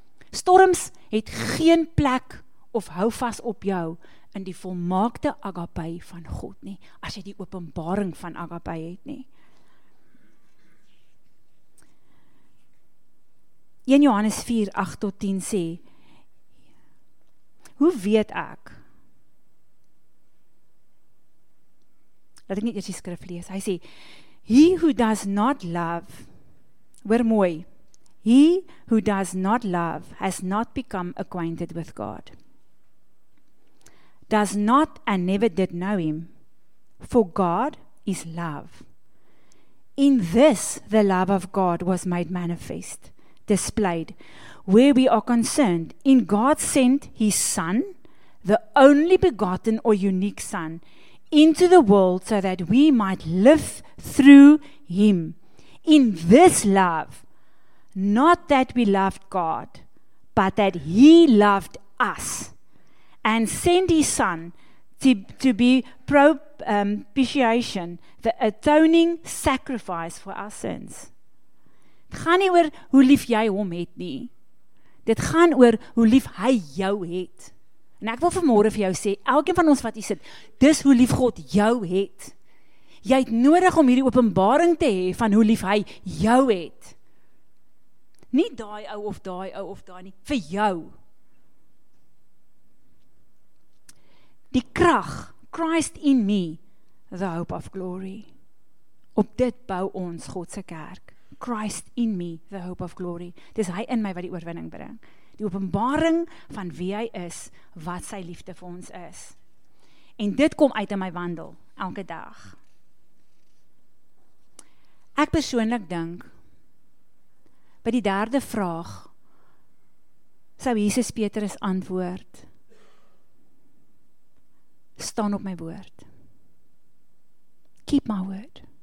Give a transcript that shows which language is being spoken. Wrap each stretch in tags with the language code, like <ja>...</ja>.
<af>Storms het geen plek of hou vas op jou in die volmaakte agape van God nie, as jy die openbaring van agape het nie. 1 Johannes 4, 8 tot 10 sê, hoe weet ek? Laat ek nie eers die skrif lees. Hy sê,</af> <en>he who does not love,</en> <af>hoor mooi,</af> <en>he who does not love has not become acquainted with God. Does not and never did know him. For God is love. In this the love of God was made manifest, displayed, where we are concerned. In God sent his Son, the only begotten or unique Son, into the world so that we might live through him. In this love, not that we loved God, but that he loved us and sent his Son to be propitiation, the atoning sacrifice for our sins.</en> <af>Dit gaan nie oor hoe lief jy hom het nie. Dit gaan oor hoe lief hy jou het. En ek wil vanmôre vir jou sê, elkeen van ons wat hier sit, dis hoe lief God jou het. Jy het nodig om hierdie openbaring te hê van hoe lief hy jou het. Nie daai ou of daai ou of daai nie, vir jou. Die krag,</af> <en>Christ in me, the hope of glory.</en> <af>Op dit bou ons Godse kerk.</af> <en>Christ in me, the hope of glory.</en> <af>Dis hy in my wat die oorwinning bring. Die openbaring van wie hy is, wat sy liefde vir ons is. En dit kom uit in my wandel, elke dag. Ek persoonlik dink, by die derde vraag, sou Jesus Petrus antwoord, staan op my woord.</af> <en>Keep my word.</en>